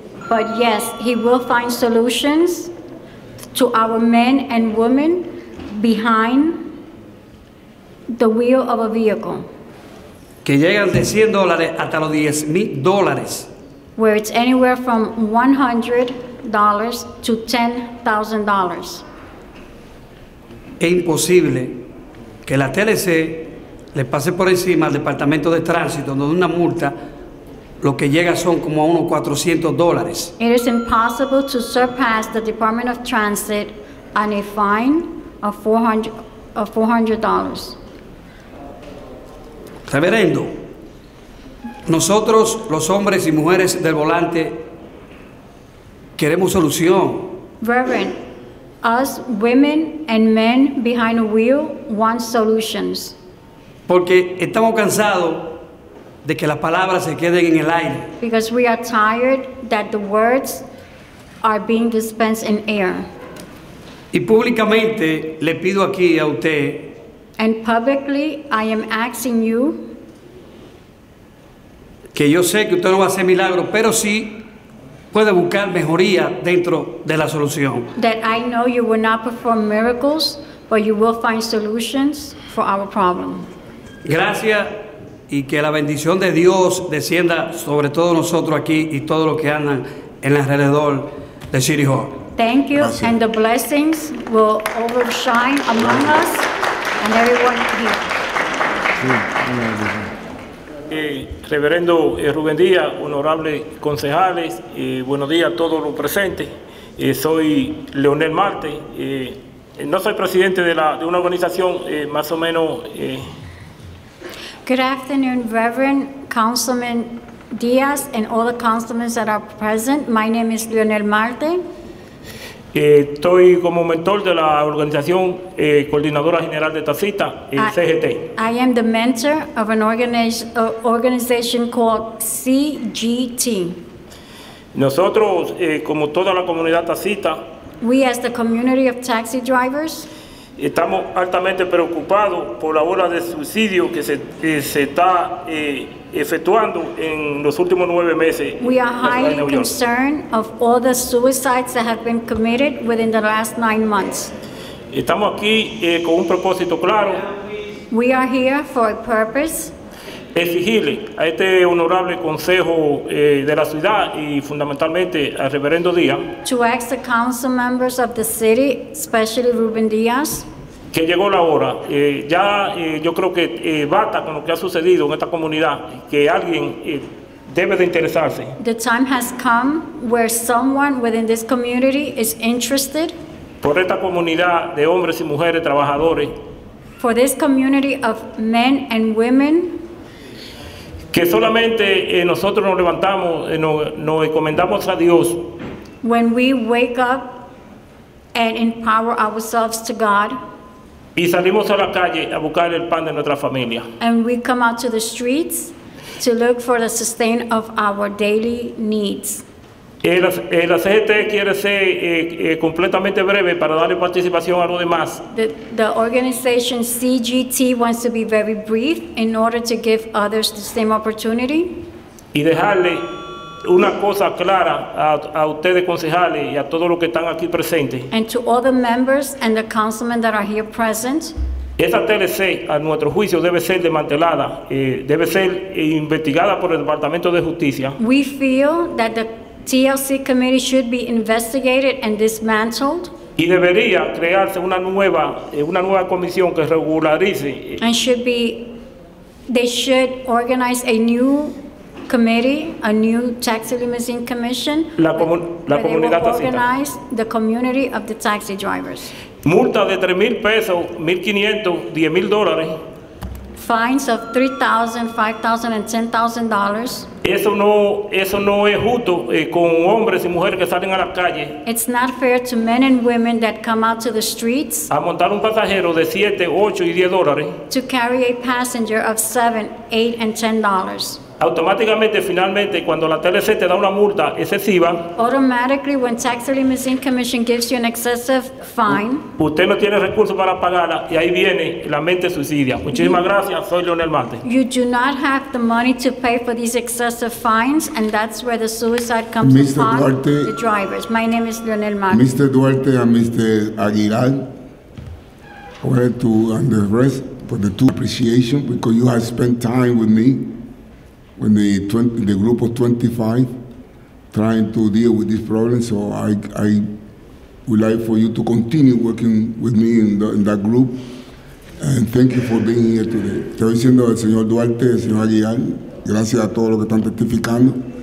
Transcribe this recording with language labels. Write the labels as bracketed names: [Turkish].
[English] But yes, he will find solutions to our men and women behind the wheel of a vehicle. [Spanish] Que llegan de $100 hasta los $10,000. [English] Where it's anywhere from $100 to $10,000. [Spanish] Es imposible que la TLC le pase por encima al Departamento de Tránsito, donde una multa lo que llega son como a unos $400. [English] It is impossible to surpass the Department of Transit on a fine of $400. [Spanish] Reverendo, nosotros los hombres y mujeres del volante queremos solución. [English] Reverend, us women and men behind a wheel want solutions. [Spanish] Porque estamos cansados de que las palabras se queden en el aire. [English] Because we are tired that the words are being dispensed in air. [Spanish] Y públicamente le pido aquí a usted. [English] And publicly I am asking you. [Spanish] Que yo sé que usted no va a hacer milagros, pero sí puede buscar mejoría dentro de la solución. [English] That I know you will not perform miracles, but you will find solutions for our problem. [Spanish] Gracias y que la bendición de Dios descienda sobre todos nosotros aquí y todos los que andan en alrededor de City Hall. [English] Thank you. [Spanish] Gracias. [English] And the blessings will overshine among us and everyone here. [Spanish] Sí, Reverendo Rubén Díaz, honorables concejales, buenos días a todos los presentes. Soy Leonel Marte. No soy presidente de una organización más o menos. [English] Good afternoon, Reverend Councilman Díaz and all the councilmen that are present. My name is Leonel Marte. [Spanish] Estoy como mentor de la organización Coordinadora General de Taxista, CGT. [English] I am the mentor of an organization called CGT. [Spanish] Nosotros, como toda la comunidad taxista, [English] we as the community of taxi drivers, [Spanish] estamos altamente preocupados por la ola de suicidio que se está efectuando en los últimos 9 meses. [English] We are highly concerned of all the suicides that have been committed within the last 9 months. [Spanish] Estamos aquí con un propósito claro. [English] We are here for a purpose. [Spanish] Exigirle a este honorable consejo de la ciudad y fundamentalmente al Reverendo Díaz. [English] To ask the council members of the city, especially Rubén Díaz. [Spanish] Que llegó la hora. Yo creo que basta con lo que ha sucedido en esta comunidad, que alguien debe de interesarse. [English] The time has come where someone within this community is interested. [Spanish] Por esta comunidad de hombres y mujeres trabajadores. [English] For this community of men and women. [Spanish] Que solamente nosotros nos levantamos, nos encomendamos a Dios. [English] When we wake up and empower ourselves to God. [Spanish] Y salimos a la calle a buscar el pan de nuestra familia. [English] And we come out to the streets. to look for the sustain of our daily needs. [Spanish] La CGT quiere ser completamente breve para darle participación a los demás. [English] The organization CGT wants to be very brief in order to give others the same opportunity. [Spanish] Y dejarle una cosa clara a ustedes concejales y a todos los que están aquí presentes. [English] And to all the members and the councilmen that are here present. [Spanish] Esa TLC, a nuestro juicio, debe ser desmantelada, debe ser investigada por el Departamento de Justicia. [English] We feel that the TLC committee should be investigated and dismantled. [Spanish] Y debería crearse una nueva comisión que regularice. [English] And should be, they should organize a new committee, a new taxi limousine commission. [Spanish] La comunidad [English] they will organize the community of the taxi drivers. [Spanish] Multa de $3,000, $1,500, $10,000. [English] Fines of $3,000, $5,000, and $10,000. [Spanish] Eso no es justo con hombres y mujeres que salen a la calle. [English] It's not fair to men and women that come out to the streets. [Spanish] A montar un pasajero de $7, $8, y $10. [English] To carry a passenger of $7, $8, and $10. [Spanish] Automáticamente, finalmente, cuando la TLC te da una multa excesiva, [English] automatically, when Taxi Limousine Commission gives you an excessive fine, [Spanish] usted no tiene recursos para pagarla, y ahí viene la mente suicida. Muchísimas gracias, soy Leonel Mate. [English] You do not have the money to pay for these excessive fines, and that's where the suicide comes Mr. upon Duarte, the drivers. My name is Leonel Mate. Mr. Duarte and Mr. Aguilar, I wanted to under arrest for the two appreciation, because you have spent time with me when the group of 25 trying to deal with this problem, so I would like for you to continue working with me in that group, and thank you for being here today. [Spanish] Estoy diciendo al señor Duarte, al señor Aguilar, gracias a todos los que están testificando.